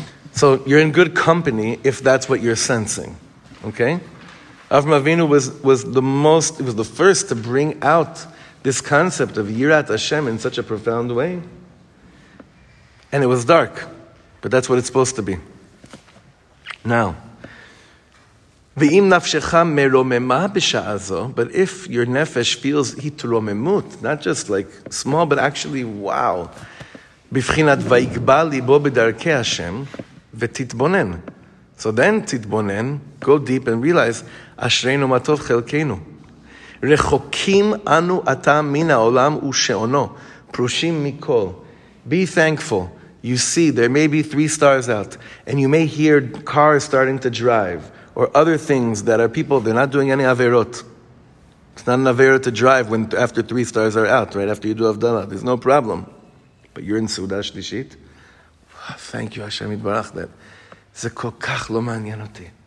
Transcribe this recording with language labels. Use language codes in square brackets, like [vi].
[en] So you're in good company if that's what you're sensing. Okay? Avraham Avinu was the first to bring out this concept of Yirat Hashem in such a profound way. And it was dark, but that's what it's supposed to be. Now, [he] ואם נפשך מרוממה בשעה זו, [en] but if your nefesh feels התרוממות, not just like small, but actually, wow, [he] בבחינת ויגבה ליבו בדרכי השם, ותתבונן. [en] So then תתבונן, go deep and realize, [he] אשרינו מה טוב חלקנו. רחוקים אנו אתה מן העולם ושעונו, פרושים מכל. [en] Be thankful. You see, there may be 3 stars out, and you may hear cars starting to drive, or other things that are people, they're not doing any averot. It's not an averot to drive when after 3 stars are out, right? After you do Avdala, there's no problem. But you're in Seudah Shlishit. Thank you, Hashem Yitbarach, that [he] זה כל כך לא מעניין אותי.